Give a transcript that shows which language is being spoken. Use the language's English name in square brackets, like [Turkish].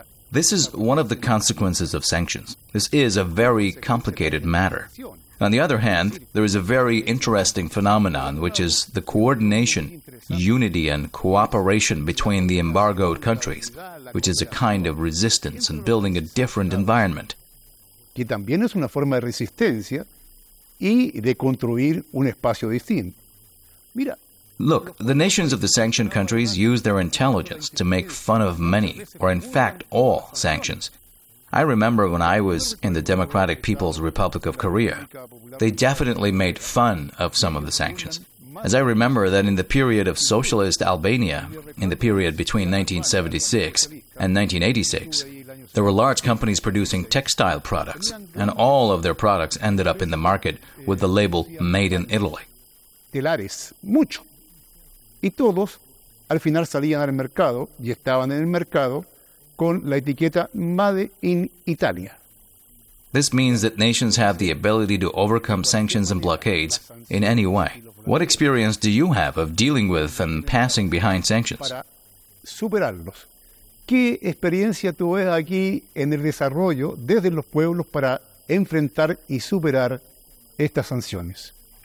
[English] This is one of the consequences of sanctions. This is a very complicated matter. On the other hand, there is a very interesting phenomenon, which is the coordination, unity and cooperation between the embargoed countries, which is a kind of resistance and building a different environment. [Spanish] Que también es una forma de resistencia y de construir un espacio distinto. Mira. [English] Look, the nations of the sanctioned countries use their intelligence to make fun of many, or in fact all, sanctions. I remember when I was in the Democratic People's Republic of Korea, they definitely made fun of some of the sanctions. As I remember that in the period of socialist Albania, in the period between 1976 and 1986, there were large companies producing textile products, and all of their products ended up in the market with the label Made in Italy. [Spanish] Telares, mucho. Y todos, al final salían al mercado y estaban en el mercado con la etiqueta Made in Italia. [English] This means that nations have the ability to overcome sanctions and blockades in any way. What experience do you have of dealing with and passing behind sanctions? [Spanish] Para superarlos. ¿Qué experiencia tú ves aquí en el desarrollo desde los pueblos para enfrentar y superar estas sanciones?